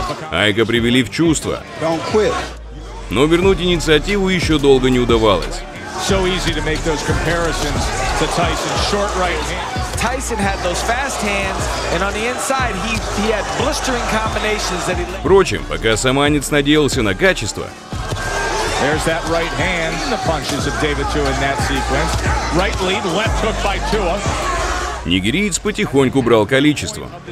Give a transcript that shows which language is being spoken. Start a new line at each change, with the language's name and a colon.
Russian: Айка привели в чувство. Но вернуть инициативу еще долго не удавалось.
English: So easy to make those comparisons to Tyson's short right hand. Tyson had those fast hands, and on the inside he had blistering combinations that he.
Russian: Впрочем, пока саманец надеялся на качество.
English: There's that right hand. The punches of David Tua in that sequence. Right lead, left hook by Tua.
Russian: Нигериец потихоньку брал количество.